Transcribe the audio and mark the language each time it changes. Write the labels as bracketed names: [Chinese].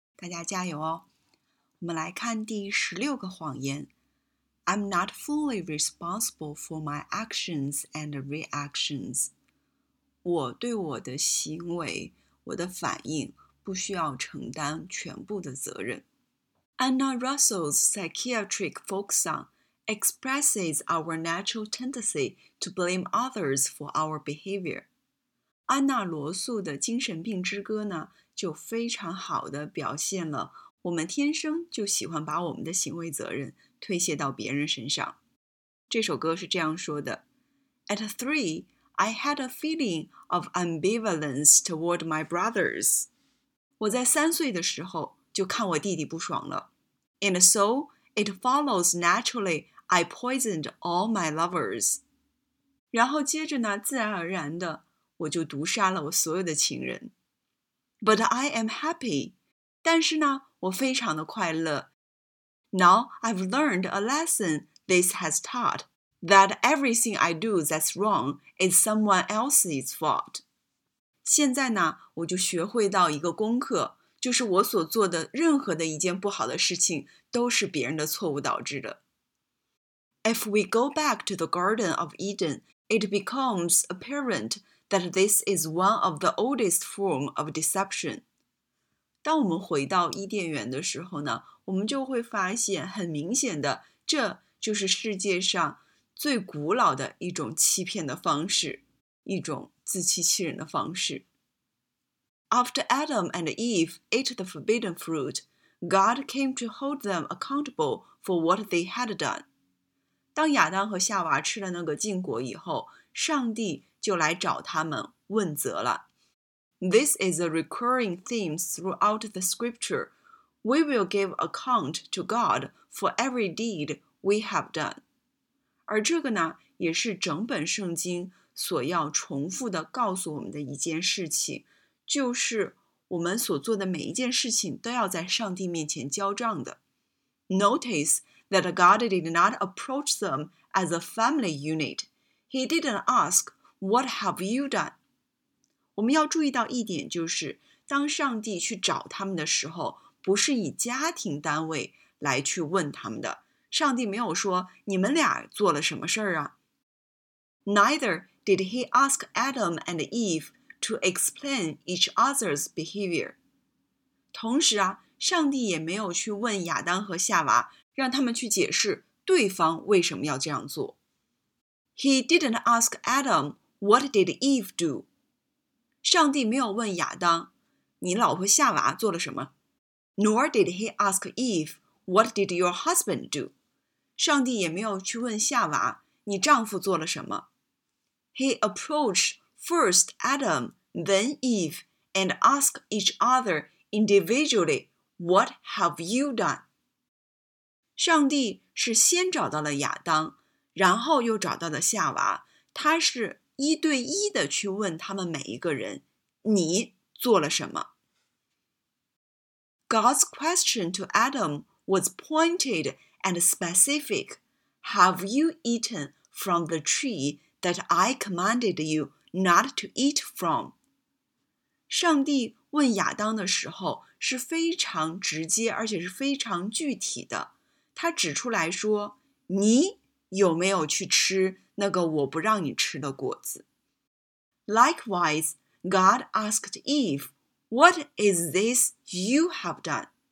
[Chinese] 大家加油哦！我们来看第16个谎言： [English] I'm not fully responsible for my actions and reactions。 [Chinese] 我对我的行为、我的反应不需要承担全部的责任。 [English] Anna Russell's psychiatric folk song expresses our natural tendency to blame others for our behavior. [Chinese] 安娜·罗素的精神病之歌呢，就非常好地表现了我们天生就喜欢把我们的行为责任推卸到别人身上。这首歌是这样说的 [English] ：At three, I had a feeling of ambivalence toward my brothers. [Chinese] 我在3岁的时候就看我弟弟不爽了。 [English] And so, it follows naturally, I poisoned all my lovers. [Chinese] 然后接着呢，自然而然的，我就毒杀了我所有的情人。 [English] But I am happy. [Chinese] 但是呢，我非常的快乐。 [English] Now I've learned a lesson this has taught, that everything I do that's wrong is someone else's fault. [Chinese] 现在呢，我就学会到一个功课，就是我所做的任何的一件不好的事情都是别人的错误导致的。 [English] If we go back to the Garden of Eden, it becomes apparent that this is one of the oldest forms of deception. [Chinese] 当我们回到伊甸园的时候呢，我们就会发现很明显的，这就是世界上最古老的一种欺骗的方式，一种自欺欺人的方式。 [English] After Adam and Eve ate the forbidden fruit, God came to hold them accountable for what they had done. [Chinese] 当亚当和夏娃吃了那个禁果以后，上帝就来找他们问责了。 [English] This is a recurring theme throughout the scripture. We will give account to God for every deed we have done. [Chinese] 而这个呢，也是整本圣经所要重复的告诉我们的一件事情。就是我们所做的每一件事情都要在上帝面前交账的。 [English] Notice that God did not approach them as a family unit. He didn't ask, "What have you done?" [Chinese] 我们要注意到一点，就是当上帝去找他们的时候，不是以家庭单位来去问他们的。上帝没有说你们俩做了什么事儿啊。 [English] Neither did he ask Adam and Eve. To explain each other's behavior. [Chinese] 同时啊，上帝也没有去问亚当和夏娃，让他们去解释对方为什么要这样做。 [English] He didn't ask Adam, what did Eve do? [Chinese] 上帝没有问亚当，你老婆夏娃做了什么。 [English] Nor did he ask Eve, what did your husband do? [Chinese] 上帝也没有去问夏娃，你丈夫做了什么。 [English] He approached,First Adam, then Eve, and ask each other individually, "What have you done?" [Chinese] 上帝是先找到了亚当，然后又找到了夏娃。他是一对一的去问他们每一个人，你做了什么？ [English] God's question to Adam was pointed and specific. Have you eaten from the tree that I commanded you? Not to eat from. [Chinese] 上帝问亚当的时候是非常直接，而且是非常具体的。他指出来说，你有没有去吃那个我不让你吃的果子？ [English] Likewise, God asked Eve, "What is this you have done?"